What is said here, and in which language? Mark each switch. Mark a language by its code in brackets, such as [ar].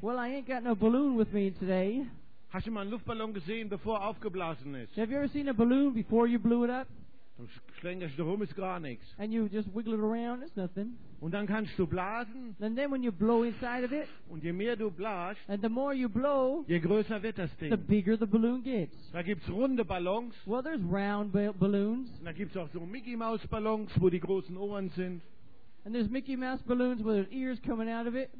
[en] Well, I ain't got no balloon with me today. [de] Hast du mal einen Luftballon gesehen, bevor er aufgeblasen ist? [en] Have you ever seen a balloon before you blew it up? [de] Du schlängelst dich rum, ist gar nichts. [en] And you just wiggle it around, it's nothing. [de] Und dann kannst du blasen. [en] And then when you blow inside of it. [de] Und je mehr du blasst. [en] And the more you blow. [de] Je größer wird das Ding. [en] The bigger the balloon gets. [de] Da gibt's runde Ballons. [en] Well, there's round balloons. [de] Und da gibt's auch so Mickey Mouse Ballons, wo die großen Ohren sind. [en] And there's Mickey Mouse balloons with ears coming out of it.